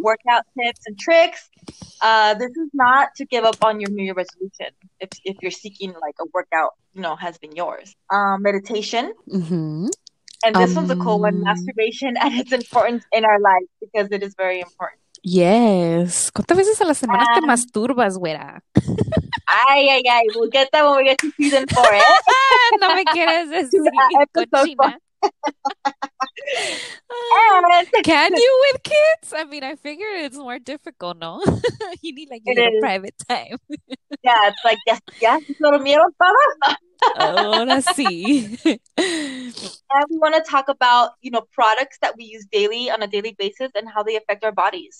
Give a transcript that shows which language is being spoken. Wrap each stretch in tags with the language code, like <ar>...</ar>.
<en>Workout tips and tricks. This is not to give up on your New Year resolution if you're seeking like a workout, you know, has been yours. Meditation. Mm-hmm. And this one's a cool one, masturbation and its importance in our life because it is very important. Yes.</en> <es>¿Cuántas veces a la semana te masturbas, güera? Ay, ay, ay.</es> <en>We'll get that when we get to season four. ¿Eh?</en> <es>No me quieres decir, cochina.</es> <en>Can you with kids? I mean, I figure it's more difficult, no? You need like a private time. Yeah, it's like, yes, yes,</en> <es>no miedo para. Ahora sí.</es> <en>And we want to talk about, you know, products that we use daily on a daily basis and how they affect our bodies.</en>